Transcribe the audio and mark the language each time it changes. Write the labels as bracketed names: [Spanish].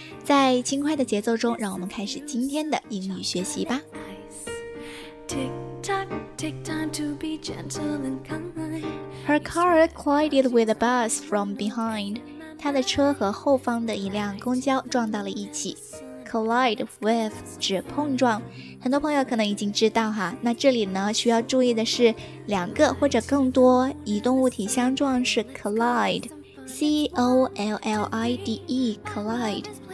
[Chinese] 在轻快的节奏中，让我们开始今天的英语学习吧。 [English] Tick tock, take time to be gentle and kind. Her car collided with a bus from behind. [Chinese] 她的车和后方的一辆公交撞到了一起。 Collide with 指碰撞，很多朋友可能已经知道哈。那这里呢，需要注意的是，两个或者更多移动物体相撞是 collide， C O L L I D E， collide。